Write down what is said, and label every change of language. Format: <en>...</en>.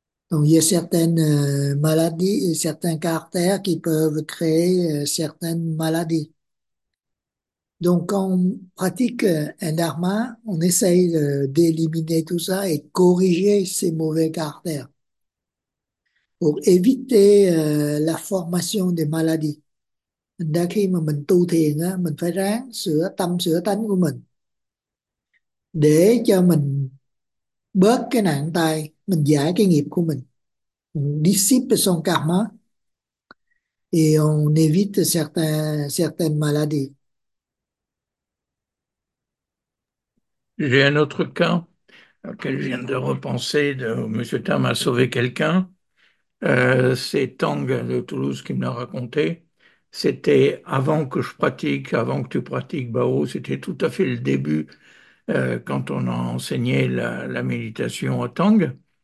<fr>Donc, il y a certaines maladies et certains caractères qui peuvent créer certaines maladies. Donc, quand on pratique un dharma, on essaye d'éliminer tout ça et corriger ces mauvais caractères, pour éviter la formation des maladies.</fr> <vi>Đã khi mà mình tu thiền á, mình phải ráng sửa tâm sửa tánh của mình để cho mình bớt cái nạn tai, mình giải cái nghiệp của mình,</vi> <fr>dissipe son karma et on évite certaines maladies. J'ai un autre cas auquel je viens de repenser. Monsieur Tam a sauvé quelqu'un. C'est Tang de Toulouse qui me l'a raconté. C'était avant que je pratique, avant que tu pratiques Bao, c'était tout à fait le début quand on a enseigné la méditation à Tang.</fr>